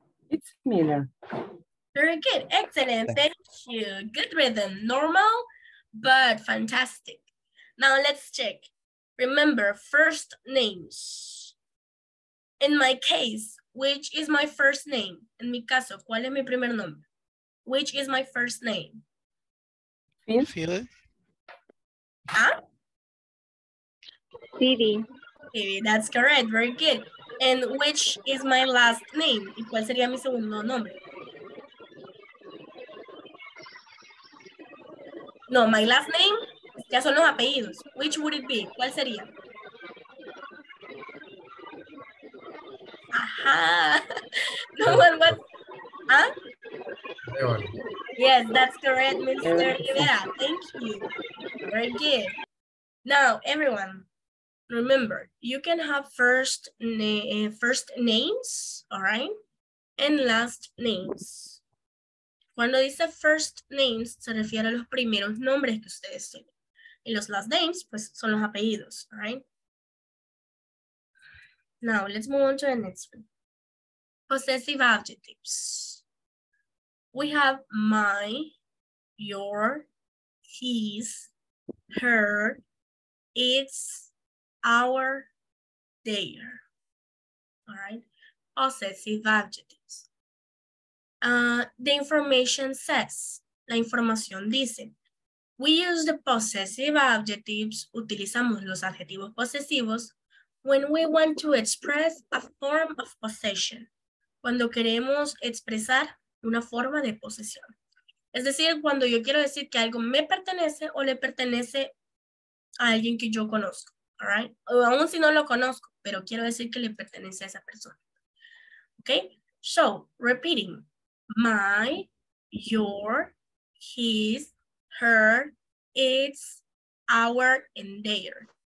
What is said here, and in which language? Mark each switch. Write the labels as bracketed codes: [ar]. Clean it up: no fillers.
[en] It's Miller. Very good, excellent, thank you. Good rhythm, normal, but fantastic. Now let's check. Remember, first names. In my case, which is my first name? [es] En mi caso, ¿cuál es mi primer nombre? [en] Which is my first name? Phil. Huh? Phoebe. Phoebe, that's correct, very good. And which is my last name? [es] ¿Y cuál sería mi segundo nombre? [en] No, my last name, [es] ya son los apellidos. [en] Which would it be? [es] ¿Cuál sería? [en] Aha! No one was, huh? Yes, that's correct, Mr. Rivera. Thank you. Very good. Now, everyone, remember, you can have first names, all right? And last names. [es] Cuando dice first names, se refiere a los primeros nombres que ustedes tienen. Y los last names, pues, son los apellidos, [en] all right? Now, let's move on to the next one. Possessive adjectives. We have my, your, his, her, it's, our, their. All right. Possessive adjectives. The information says, [es] la información dice, [en] we use the possessive adjectives, [es] utilizamos los adjetivos posesivos, [en] when we want to express a form of possession, [es] cuando queremos expresar una forma de posesión. Es decir, cuando yo quiero decir que algo me pertenece o le pertenece a alguien que yo conozco, [en] all right? [es] O aún si no lo conozco, pero quiero decir que le pertenece a esa persona. [en] Okay, so repeating, my, your, his, her, its, our, and their.